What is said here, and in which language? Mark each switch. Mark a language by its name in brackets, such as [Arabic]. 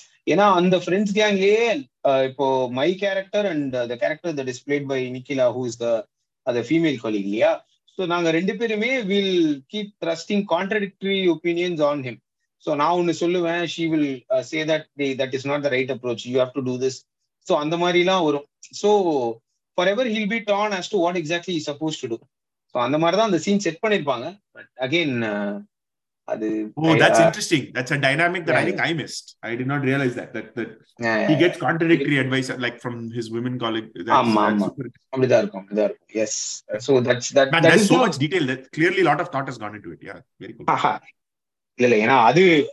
[English] You know, on the friends gang le ipo my character and the character that is played by Nikhila, who is the female colleague, yeah. So [Tamil] நாங்க ரெண்டு பேருமே [English] will keep thrusting contradictory opinions on him. So now [Tamil] ஒன்னு சொல்லுவேன், [English] she will say that is not the right approach, you have to do this. [Tamil] So அந்த மாதிரி எல்லாம் வரும். [English] So forever he'll be torn as to what exactly he's supposed to do. So [Tamil] அந்த மாதிரி தான் அந்த சீன் செட் பண்ணிருப்பாங்க. [English] But again That's interesting. That's a dynamic that I think I missed. I did not realize that. That he gets contradictory advice like from his women colleague. Yes. So that's Man, that is so not... much detail that clearly a lot of thought has gone into it. Yeah. Very cool.